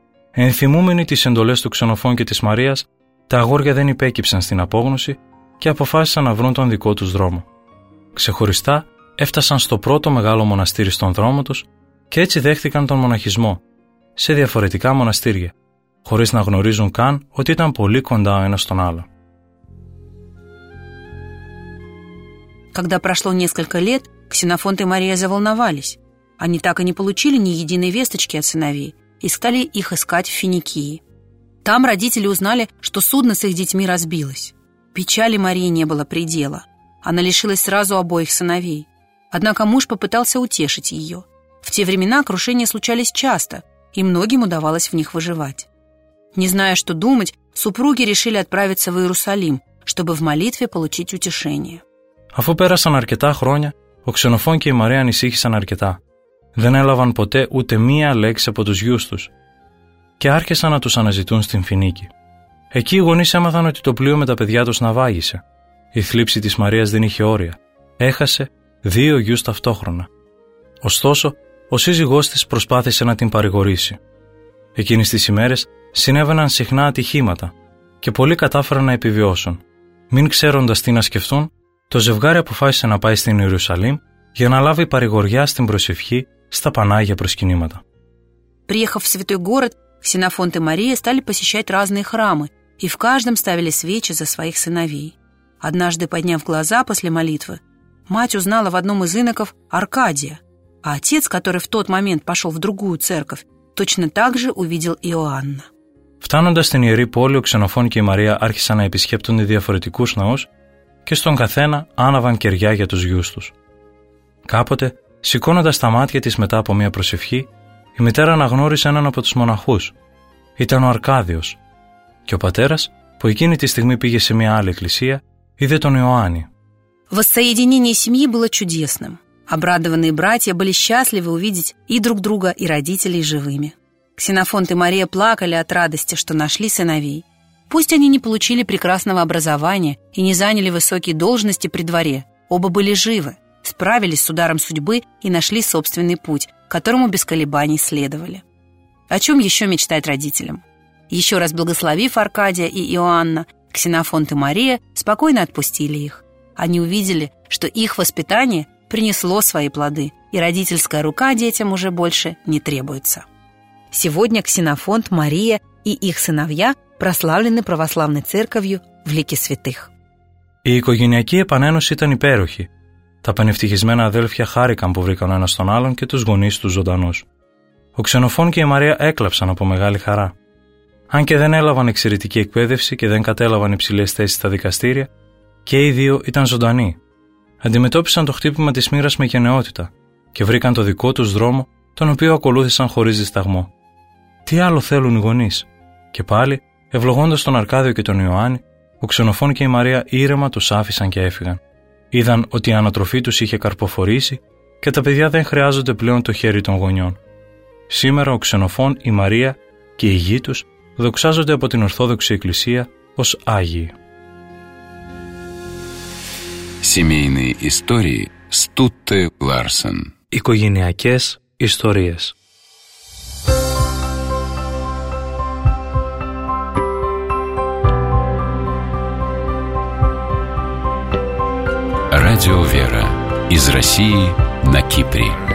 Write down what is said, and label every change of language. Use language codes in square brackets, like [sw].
[el] Ενθυμούμενοι τις εντολές του Ξενοφών και της Μαρίας, τα αγόρια δεν υπέκυψαν στην απόγνωση και αποφάσισαν να βρουν τον δικό τους δρόμο. Ξεχωριστά έφτασαν στο πρώτο μεγάλο μοναστήρι στον δρόμο τους και έτσι δέχτηκαν τον μοναχισμό, σε διαφορετικά μοναστήρια, χωρίς να γνωρίζουν καν ότι ήταν πολύ κοντά ο ένας στον άλλο. [ru] Когда прошло несколько лет, Ксенофонт и Мария заволновались. Они так и не получили ни единой весточки от сыновей и стали их искать в Финикии. Там родители узнали, что судно с их детьми разбилось. Печали Марии не было предела. Она лишилась сразу обоих сыновей. Однако муж попытался утешить ее. В те времена крушения случались часто, и многим удавалось в них выживать. Не зная, что думать, супруги решили отправиться в Иерусалим, чтобы в молитве получить утешение. [el] Αφού πέρασαν αρκετά χρόνια, ο Ξενοφών και η Μαρία ανησύχησαν αρκετά. Δεν έλαβαν ποτέ ούτε μία λέξη από τους γιους τους και άρχισαν να τους αναζητούν στην Φινίκη. Εκεί οι γονείς έμαθαν ότι το πλοίο με τα παιδιά τους ναυάγησε. Η θλίψη της Μαρίας δεν είχε όρια. Έχασε δύο γιους ταυτόχρονα. Ωστόσο, ο σύζυγός της προσπάθησε να την παρηγορήσει. Εκείνες τις ημέρες συνέβαιναν συχνά ατυχήματα και πολλοί κατάφεραν να επιβιώσουν. Μην ξέροντας τι να σκεφτούν, το ζευγάρι αποφάσισε να πάει στην Ιερουσαλήμ για να λάβει παρηγοριά στην προσευχή στα Πανάγια προσκυνήματα. [ru] Приехав в святой город, Ксенофонт и Мария стали посещать разные храмы и в каждом ставили свечи за своих сыновей. Однажды, подняв глаза после молитвы, мать узнала в одном из иноков Аркадия, а отец, который в тот момент пошел в другую церковь, точно так же увидел Иоанна. [el] Φτάνοντας στην ιερή πόλη, ο Ξενοφών και η Μαρία άρχισαν να επισκέπτονται διαφορετικούς ναούς και στον καθένα άναβαν κεριά για τους γιους τους. Κάποτε, σηκώνοντας τα μάτια της μετά από μια προσευχή, η μητέρα αναγνώρισε έναν από τους μοναχούς. Ήταν ο Αρκάδιος. Και ο πατέρας, που εκείνη τη στιγμή πήγε σε μια άλλη εκκλησία, είδε τον Ιωάννη. [ru] Воссоединение семьи было чудесным. Обрадованные братья были счастливы увидеть и друг друга, и родителей живыми. Ксенофонт и Мария плакали от радости, что нашли сыновей. Пусть они не получили прекрасного образования и не заняли высокие должности при дворе, оба были живы, справились с ударом судьбы и нашли собственный путь, которому без колебаний следовали. О чем еще мечтать родителям? Еще раз благословив Аркадия и Иоанна, Ксенофонт и Мария спокойно отпустили их. Они увидели, что их воспитание принесло свои плоды, и родительская рука детям уже больше не требуется. Сегодня Ксенофонт, Мария и их сыновья прославлены православной церковью в лике святых. [el] Η οικογενειακή επανένωση ήταν υπέροχη. Τα πανευτυχισμένα αδέλφια χάρηκαν που βρήκαν ένας τον άλλον και τους γονείς τους ζωντανούς. Ο Ξενοφών και η Μαρία έκλαψαν από μεγάλη χαρά. Αν και δεν έλαβαν εξαιρετική εκπαίδευση και δεν κατέλαβαν υψηλές θέσεις στα δικαστήρια, και οι δύο ήταν ζωντανοί. Αντιμετώπισαν το χτύπημα της μοίρας με γενναιότητα και βρήκαν το δικό τους δρόμο, τον οποίο ακολούθησαν χωρίς δισταγμό. Τι άλλο θέλουν οι γονείς? Και πάλι, ευλογώντας τον Αρκάδιο και τον Ιωάννη, ο Ξενοφών και η Μαρία ήρεμα τους άφησαν και έφυγαν. Είδαν ότι η ανατροφή τους είχε καρποφορήσει και τα παιδιά δεν χρειάζονται πλέον το χέρι των γονιών. Σήμερα ο Ξενοφών, η Μαρία και η γη τους δοξάζονται από την Ορθόδοξη Εκκλησία ως Άγιοι. [ru] Семейные истории Стутте Ларсен. [el] Οικογενειακές ιστορίες. [ru] Радио Вера. Из России на Кипре.